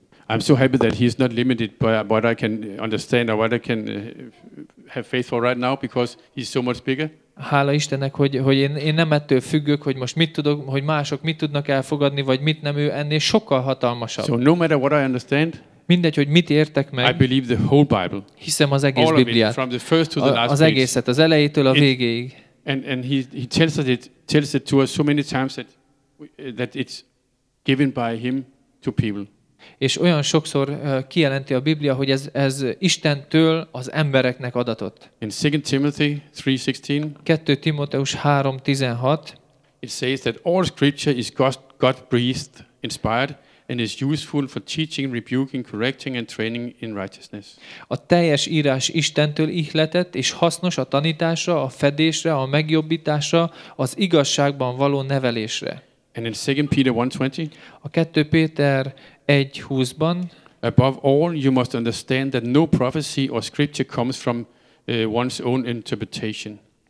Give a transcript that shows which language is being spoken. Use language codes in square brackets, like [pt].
[en] I'm so happy that he's not limited by what I can understand or what I can have faith for right now, because he's so much bigger. [hu] Hála Istennek, hogy én nem ettől függök, hogy most mit tudok, hogy mások mit tudnak elfogadni, vagy mit nem, ő ennél sokkal hatalmasabb. [en] So no matter what I understand, [hu] mindegy, hogy mit értek meg, [en] I believe the whole Bible, [hu] hiszem az egész Bibliát, [en] from the first to the last [hu] az egészet, az elejétől a végéig. [en] And he tells it to us so many times that it's given by him to people. [hu] És olyan sokszor kijelenti a Biblia, hogy ez Istentől az embereknek adatott. [en] In 2 Timothy 3:16, [hu] 2 Timóteus 3:16, [en] it says that all scripture is God breathed, inspired, and is useful for teaching, rebuking, correcting and training in righteousness. [hu] A teljes írás Istentől ihletett és hasznos a tanításra, a fedésre, a megjobbításra, az igazságban való nevelésre. [en] And in 2 Peter 1:20, [hu] a 2 Péter 1:20-ban, [en] above all you must understand that no prophecy or scripture comes from one's own interpretation.